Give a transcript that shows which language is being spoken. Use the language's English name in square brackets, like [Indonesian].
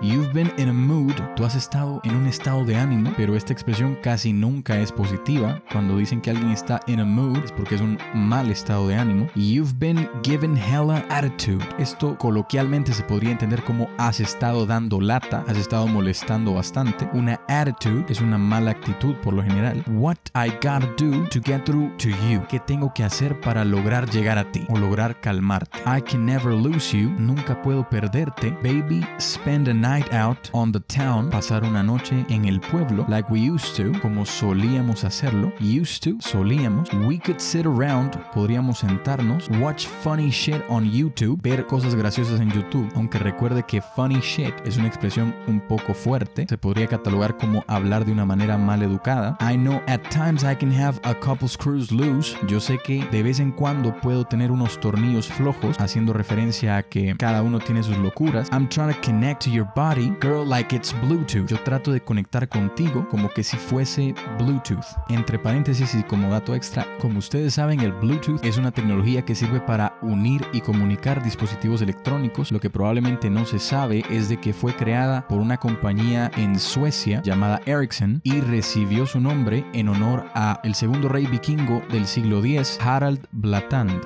[English] You've been in a mood. [Spanish] Tú has estado en un estado de ánimo, pero esta expresión casi nunca es positiva. Cuando dicen que alguien está [English] in a mood, [Spanish] es porque es un mal estado de ánimo. [English] You've been given hella attitude. [Spanish] Esto coloquialmente se podría entender como has estado dando lata, has estado molestando bastante. Una attitude es una mala actitud por lo general. [English] What I gotta do to get through to you. [Spanish] ¿Qué tengo que hacer para lograr llegar a ti? O lograr calmarte. [English] I can never lose you. [Spanish] Nunca puedo perderte. [English] Baby, spend a night out on the town. [Spanish] Pasar una noche en el pueblo. [English] Like we used to. [Spanish] Como solíamos hacerlo. [English] Used to. [Spanish] Solíamos. [English] We could sit around. [Spanish] Podríamos sentarnos. [English] Watch funny shit on YouTube. [Spanish] Ver cosas graciosas en YouTube. Aunque recuerde que [English] funny shit [Spanish] es una expresión un poco fuerte. Se podría catalogar como hablar de una manera mal educada. [English] I know at times I can have a couple screws loose. [Spanish] Yo sé que de vez en cuando puedo tener unos tornillos flojos. Haciendo referencia a que cada uno uno tiene sus locuras. [English] I'm trying to connect to your body, girl, like it's Bluetooth. [Spanish] Yo trato de conectar contigo como que si fuese Bluetooth. Entre paréntesis y como dato extra, como ustedes saben, el Bluetooth es una tecnología que sirve para unir y comunicar dispositivos electrónicos. Lo que probablemente no se sabe es de que fue creada por una compañía en Suecia llamada Ericsson y recibió su nombre en honor a el segundo rey vikingo del siglo X, Harald Blatand.